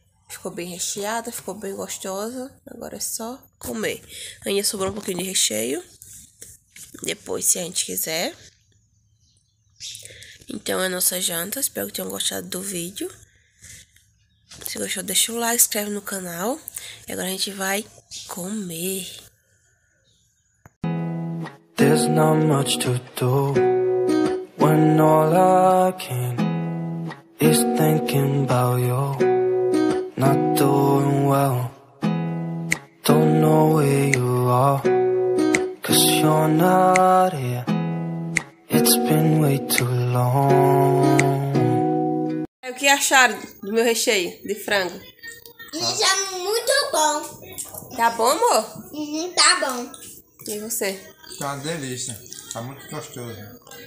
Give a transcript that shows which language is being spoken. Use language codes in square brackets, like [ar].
[pt] Ficou bem recheada, ficou bem gostosa. Agora é só comer. Ainda sobrou um pouquinho de recheio. Depois, se a gente quiser. Então, é a nossa janta. Espero que tenham gostado do vídeo. Se gostou, deixa o like, inscreve no canal. E agora a gente vai comer. [en] There's not much to do when all I can is thinking about you. Not doing well. Don't know where you are, 'cause you're not here. It's been way too long. [pt] O que acharam do meu recheio de frango? Isso é muito bom. Tá bom, amor? Uhum, tá bom. E você? Tá uma delícia. Tá muito gostoso.